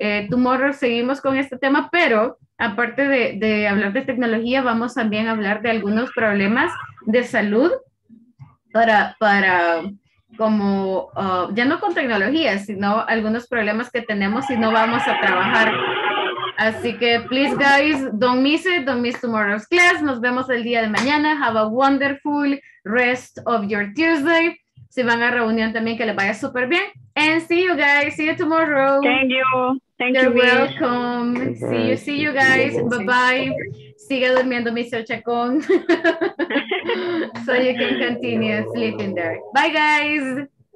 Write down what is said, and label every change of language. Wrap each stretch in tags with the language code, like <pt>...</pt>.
<es>Tomorrow seguimos con este tema, pero aparte de hablar de tecnología, vamos también a hablar de algunos problemas de salud para como, ya no con tecnología, sino algunos problemas que tenemos y no vamos a trabajar. Así que,</es> <en>please, guys, don't miss tomorrow's class.</en> <es>Nos vemos el día de mañana.</es> <en>Have a wonderful rest of your Tuesday.</en> <es>Si van a reunión también, que les vaya súper bien.</es> <en>And see you, guys. See you tomorrow. Thank you. You're welcome. Bye. See you, guys. Bye-bye.</en> <es>Sigue durmiendo,</es> <en>Mr. Chacón. So you can continue sleeping there. Bye, guys.</en>